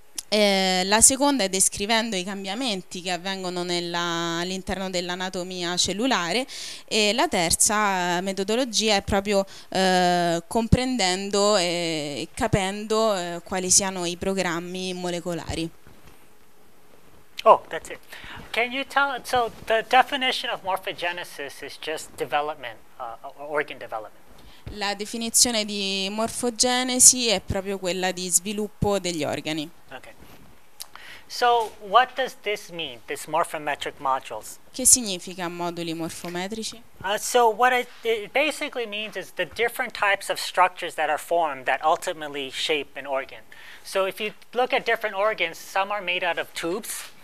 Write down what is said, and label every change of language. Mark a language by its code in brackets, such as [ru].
[it] La seconda è descrivendo i cambiamenti che avvengono all'interno dell'anatomia cellulare, e la terza metodologia è proprio comprendendo e capendo quali siano i programmi molecolari. [en] Oh, that's it. Can you tell, so the definition of morphogenesis is just development, organ development. [it] La definizione di morfogenesi è proprio quella di sviluppo degli organi. [en] Okay. So what does this mean, this morphometric modules? [it] Che significa moduli morfometrici? [en] So what it basically means is the different types of structures that are formed that ultimately shape an organ. So if you look at different organs, some are made out of tubes.